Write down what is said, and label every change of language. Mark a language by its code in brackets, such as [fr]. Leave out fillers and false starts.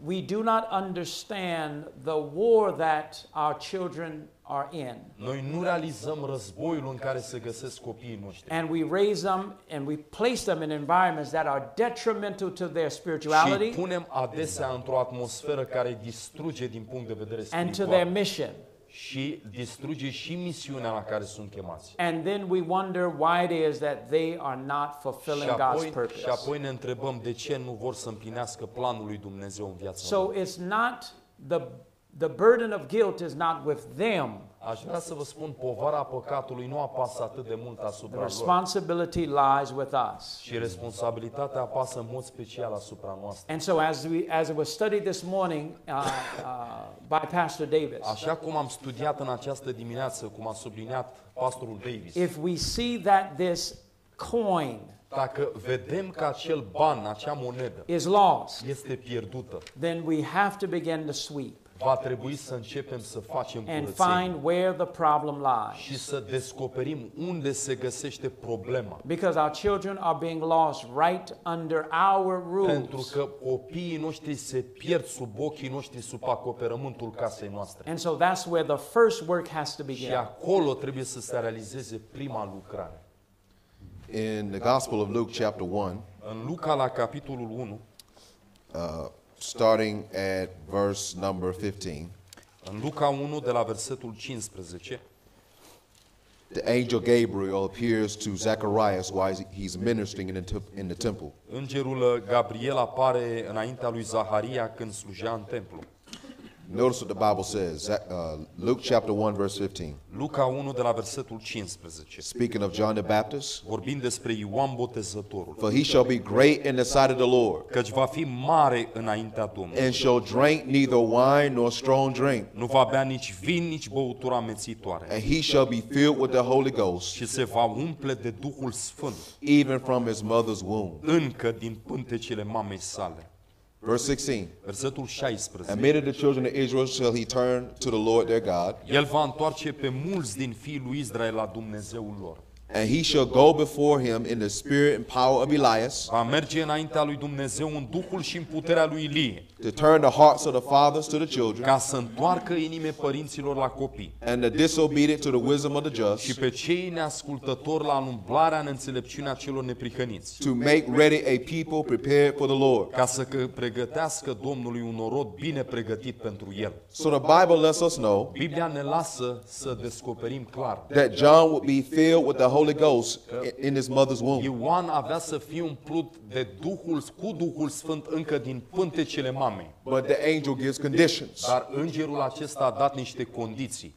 [en] We do not understand the war that our children are in. [ro] Noi nu realizăm războiul în care se găsesc copiii noștri. [en] And we raise them and we place them in environments that are detrimental to their spirituality. [ro] Și punem adesea într-o atmosferă care distruge din punct de vedere spiritual. [en] And to their mission. [ro] Și distruge și misiunea la care sunt chemați. [en] And then we wonder why it is that they are not fulfilling God's purpose. [ro] Și apoi ne întrebăm de ce nu vor să împlinească planul lui Dumnezeu în viața lor. [en] So it's not the burden of guilt is not with them. [ro] Aș vrea să vă spun, povara păcatului nu apasă atât de mult asupra lor. [en] Responsibility lies with us. [ro] Și responsabilitatea apasă în mod special asupra noastră. [en] And so as it was studied this morning by Pastor Davis. [ro] Așa cum am studiat în această dimineață, cum a subliniat pastorul Davis. [en] If we see that this coin, [ro] dacă vedem că acel ban, acea monedă, [en] is lost, [ro] este pierdută, [en] then we have to begin to sweep. [ro] Va trebui să începem să facem curățenie. [en] And find where the problem lies. [ro] Și să descoperim unde se găsește problema. [en] Because our children are being lost right under our roof. [ro] Pentru că copiii noștri se pierd sub ochii noștri, sub acoperământul casei noastre. [en] And so that's where the first work has to begin. [ro] Și acolo trebuie să se realizeze prima lucrare. [en] In the Gospel of Luke chapter 1. [ro] În Luca la capitolul 1. [en] Starting at verse number 15. [ro] În Luca 1 de la versetul 15. [en] The angel Gabriel appears to Zacharias while he's ministering in the temple. [ro] Îngerul Gabriel apare înaintea lui Zaharia când slujea în templu. [en] Notice what the Bible says. Luke chapter 1 verse 15. [ro] Luca 1 de la versetul 15. [en] Speaking of John the Baptist. [ro] Vorbind despre Ioan Botezătorul. [en] For he shall be great in the sight of the Lord. [ro] Căci va fi mare înaintea Domnului. [en] And shall drink neither wine nor strong drink. [ro] Nu va bea nici vin, nici băutură amețitoare. [en] And he shall be filled with the Holy Ghost. [ro] Și se va umple de Duhul Sfânt. [en] Even from his mother's womb. [ro] Încă din pântecele mamei sale. [en] Verse 16. [ro] Versetul 16. [en] And many of the children of Israel shall he turn to the Lord their God. [ro] El va întoarce pe mulți din fiii lui Israel la Dumnezeul lor. [en] And he shall go before him in the spirit and power of Elias. [ro] Va merge înaintea lui Dumnezeu în Duhul și în puterea lui Ilie. [en] To turn the hearts of the fathers to the children. [ro] Ca să întoarcă inime părinților la copii. [en] And the disobedient to the wisdom of the just. [ro] Și pe cei neascultători la umblarea în înțelepciunea celor neprihăniți. [en] To make ready a people prepared for the Lord. [ro] Ca să pregătească Domnului un orod bine pregătit pentru el. [en] So the Bible lets us know. [ro] Biblia ne lasă să descoperim clar. [en] That John would be filled with the Holy Ghost in his mother's womb. [ro] Ioan avea să fie umplut de Duhul, cu Duhul Sfânt încă din pântecele mamei. [en] But the angel gives conditions. [ro] Dar îngerul acesta a dat niște condiții.